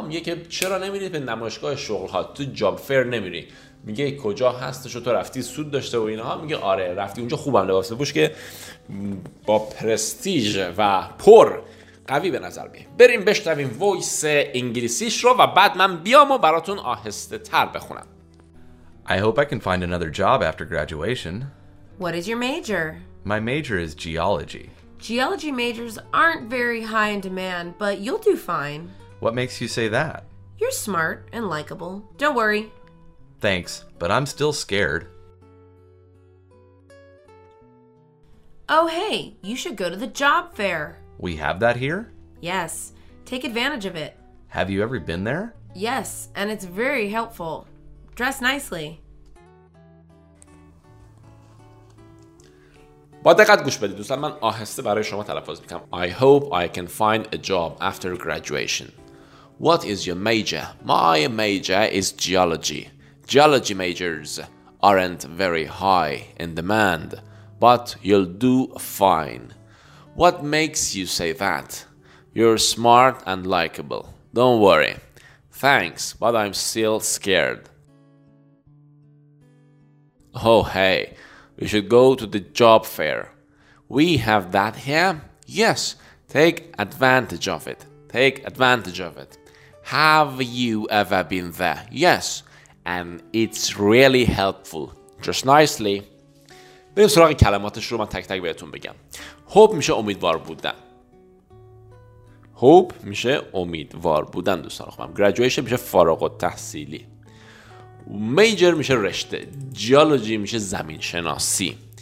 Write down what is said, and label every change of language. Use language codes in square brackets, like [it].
[fa] میگه که چرا نمیری به نمایشگاه شغل ها؟ تو جاب فیر نمیری؟ میگه کجا هستش و تو رفتی سود داشته و اینها؟ میگه آره رفتی اونجا، خوبم لباس بپوش که با پرستیژ و پر قوی به نظر بیه. بریم بشنویم وایس انگلیسیش رو و بعد من بیام و براتون آهسته تر بخونم. [en] I hope I can find another job after graduation. What is your major? My major is geology. Geology majors aren't very high in demand, but you'll do fine. What makes you say that? You're smart and likable. Don't worry. Thanks, but I'm still scared. Oh, hey, you should go to the job fair. We have that here? Yes. Take advantage of it. Have you ever been there? Yes, and it's very helpful. Dress nicely. [fa] با دقت گوش بدید دوستان، من آهسته برای شما تلفظ میکنم. [en] I hope I can find a job after graduation. What is your major? My major is geology. Geology majors aren't very high in demand, but you'll do fine. What makes you say that? You're smart and likable. Don't worry. Thanks, but I'm still scared. Oh, hey. We should go to the job fair. We have that here? Yes. Take advantage of it. Take advantage of it. Have you ever been there? Yes. And it's really helpful. Just nicely. [fa] بریم سراغ کلماتش رو من تک تک بهتون بگم. Hope میشه امیدوار بودن. Hope میشه امیدوار بودن دوستان خوبم. Graduation میشه فارغ التحصیلی. Major میشه رشته. Geology میشه زمین شناسی.